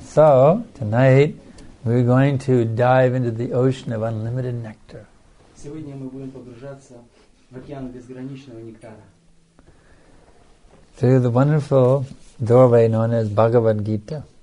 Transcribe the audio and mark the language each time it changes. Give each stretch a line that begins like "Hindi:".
English: So tonight we're going to dive into the ocean of unlimited nectar.
Russian: Сегодня мы будем погружаться в океан безграничного нектара.
English: Through the wonderful doorway known as Bhagavad Gita.